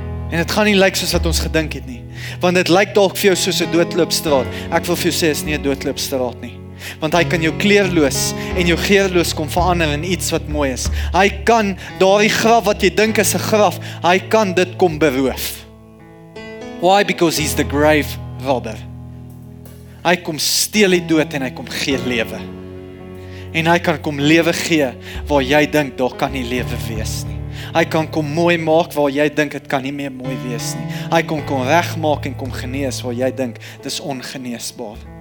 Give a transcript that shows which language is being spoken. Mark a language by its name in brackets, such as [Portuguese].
[Afrikaans] En dit gaan nie lyk soos wat ons gedink het nie. Want dit lyk dalk vir jou soos 'n doodloopstraat. Ek wil vir jou sê, is nie 'n doodloopstraat nie. Want hy kan jou kleerloos en jou geerloos kom verander in iets wat mooi is. Hy kan daardie graf wat jy dink is 'n graf, hy kan dit kom beroof. [English] Why? Because he's the grave robber. [Afrikaans] Hy kom steel die dood en hy kom gee lewe. En hy kan kom lewe gee waar jy dink daar kan nie lewe wees nie. Hy kan kom mooi maak waar jy dink het kan nie meer mooi wees nie. Hy kom kom reg maak en kom genees waar jy dink het is ongeneesbaar.